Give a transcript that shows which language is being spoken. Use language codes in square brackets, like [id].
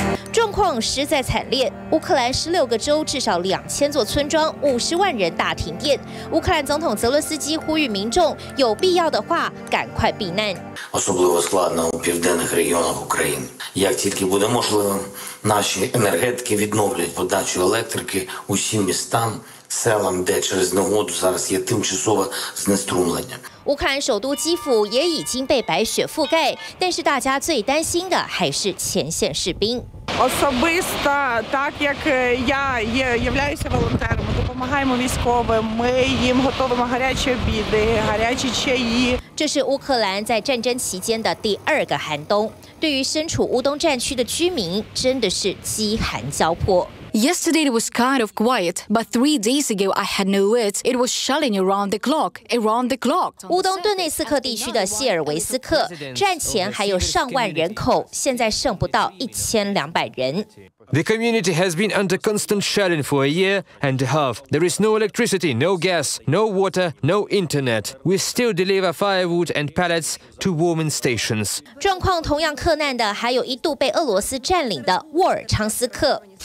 [zh] 状况实在惨烈，乌克兰16个州至少2000座村庄50万人大停电。乌克兰总统泽伦斯基呼吁民众有必要的话赶快避难。 [uk] Особливо складно у південних регіонах України. Як тільки буде можливо, наші енергетики відновлять подачу електрики усім містам, селам, де через негоду зараз є тимчасове знеструмлення. [zh] 乌克兰首都基辅也已经被白雪覆盖，但是大家最担心的还是前线士兵。 [uk] Особисто, так як я є, являюся волонтером, ми допомагаємо військовим, ми їм готовимо гарячі обіди, гарячі чаї. [zh] 这是乌克兰在战争期间的第二个寒冬，对于身处乌东战区的居民，真的是饥寒交迫。 [en] Yesterday it was kind of quiet, but 3 days ago I had no words. It was shelling around the clock, around the clock. [zh] 乌东顿内斯克地区的谢尔维斯克，战前还有上万人口，现在剩不到1200人。 [en] The community has been under constant shelling for a year and a half. There is no electricity, no gas, no water, no internet. We still deliver firewood and pallets to warming stations. [zh] 状况同样困难的还有一度被俄罗斯占领的沃尔昌斯克。